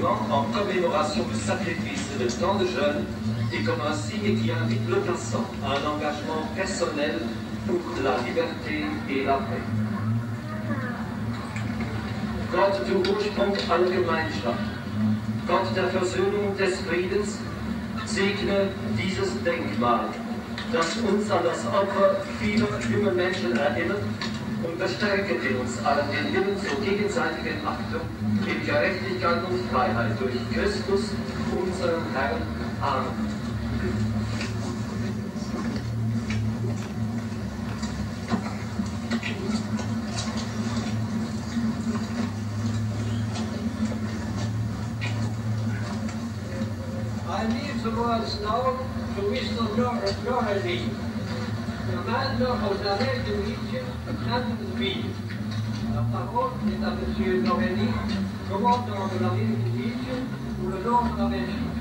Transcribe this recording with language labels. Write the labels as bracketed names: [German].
[French] En commémoration du sacrifice de tant de jeunes et comme un signe qui invite le passant à un engagement personnel pour la liberté et la paix. [German] Gott, du Ursprung aller Gemeinschaft, Gott der Versöhnung des Friedens, segne dieses Denkmal, das uns an das Opfer vieler junger Menschen erinnert und bestärke in uns allen den Willen zur gegenseitigen Achtung. In Gerechtigkeit und Freiheit durch Christus, unseren Herrn. Amen. [English] I leave the words now to Mr. Norrelly, commander of the American Legion, Captain B. [French] La parole est à M. Norrelly. Commandant de la Légion pour le nord de la Belgique.